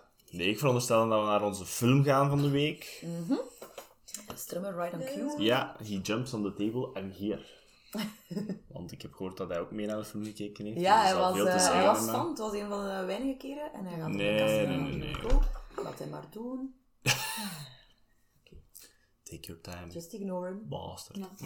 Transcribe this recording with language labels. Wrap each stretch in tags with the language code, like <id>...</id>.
<nl>Nee, ik veronderstel dat we naar onze film gaan van de week.</nl> <en>Mm-hmm. Strummer right on cue. Ja, he jumps on the table and here.</en> <nl>Want ik heb gehoord dat hij ook mee naar de film gekeken heeft. Ja, hij was fan. Het was een van de weinige keren. En hij gaat Nee. Laat hem maar doen.</nl> <en>Okay. Take your time. Just ignore him. Bastard.</en>